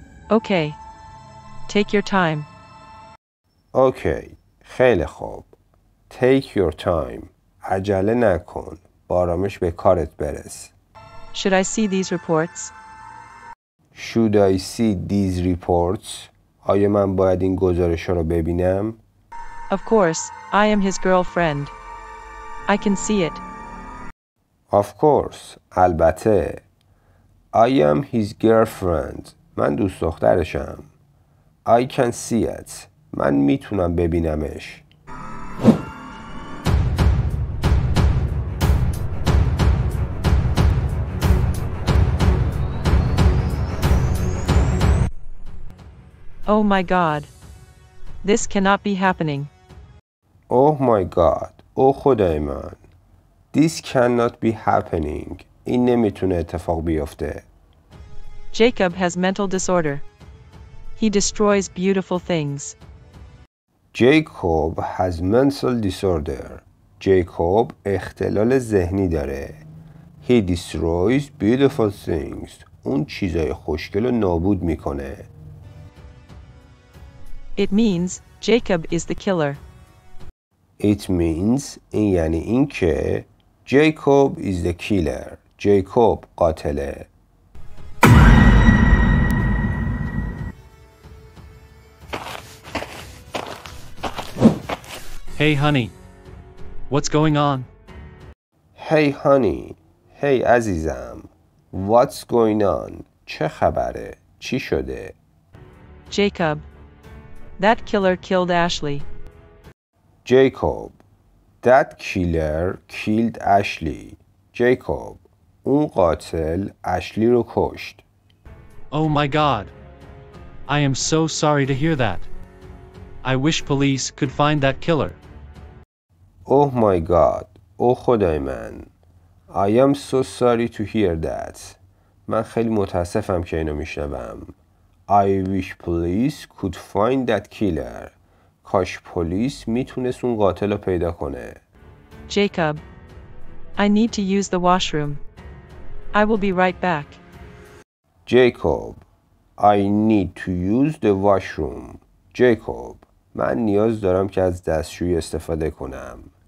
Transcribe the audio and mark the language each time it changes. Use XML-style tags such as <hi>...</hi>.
<en>Okay. Take your time. Okay.</en> <fa>خیلی خوب.</fa> <en>Take your time.</en> <fa>عجله نکن. بارامش به کارت برس.</fa> <en>Should I see these reports? Should I see these reports?</en> <fa>آیا من باید این گزارش‌ها رو ببینم؟</fa> <en>Of course, I am his girlfriend. I can see it. Of course,</en> <fa>البته.</fa> <en>I am his girlfriend.</en> <fa>من دوست دخترشم.</fa> <en>I can see it.</en> <fa>من میتونم ببینمش.</fa> <en>Oh my God. This cannot be happening. Oh my God. Oh</en> <fa>خدای من.</fa> <en>This cannot be happening.</en> <fa>این نمیتونه اتفاق بیفته.</fa> <en>Jacob has mental disorder. He destroys beautiful things. Jacob has mental disorder. Jacob</en> <fa>اختلال ذهنی داره.</fa> <en>He destroys beautiful things.</en> <fa>اون چیزای خوشگل رو نابود میکنه.</fa> <en>It means Jacob is the killer. It means</en> <fa>این یعنی این که</fa> <en>Jacob is the killer.</en> <fa>Jacob قاتله.</fa> <en>Hey honey. What's going on? Hey honey. Hey</en> <fa>عزیزم.</fa> <en>What's going on?</en> <fa>چه خبره؟ چی شده؟</fa> <en>Jacob. That killer killed Ashley. Jacob. That killer killed Ashley.</en> <fa>Jacob. اون قاتل اشلی رو کشت.</fa> <en>Oh my god. I am so sorry to hear that. I wish police could find that killer. Oh my god. Oh</en> <fa>خدای من.</fa> <en>I am so sorry to hear that.</en> <fa>من خیلی متاسفم که اینو میشنوم.</fa> <en>I wish police could find that killer.</en> <fa>کاش پلیس میتونست اون قاتل رو پیدا کنه.</fa> <en>Jacob, I need to use the washroom. I will be right back. Jacob, I need to use the washroom.</en> <fa>Jacob, من نیاز دارم که از دستشویی استفاده کنم.</fa>